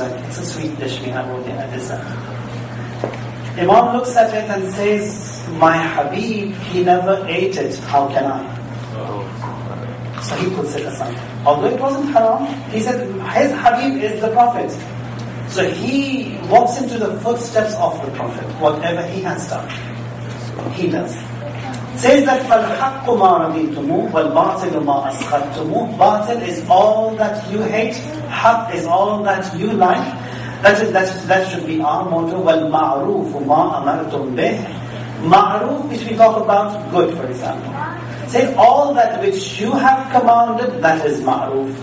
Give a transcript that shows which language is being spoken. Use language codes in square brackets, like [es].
[en] Like, it's a sweet dish we have over there at dessert." Imam looks at it and says, "My Habib, he never ate it. How can I?" So he puts it aside. Although it wasn't haram, he said, his Habib is the Prophet. So he walks into the footsteps of the Prophet, whatever he has done, he does. Says that [ar] فَالْحَقُّ مَا رَضِيْتُمُ وَالْبَاطِلُ مَا أَسْخَدْتُمُ. [en] Batil is all that you hate, haq is all that you like. That should be our motto. [ar] وَالْمَعْرُوفُ مَا أَمَرْتُمْ بِهِ. [en] Ma'ruf, which we talk about, good for example. Say all that which you have commanded, that is ma'ruf.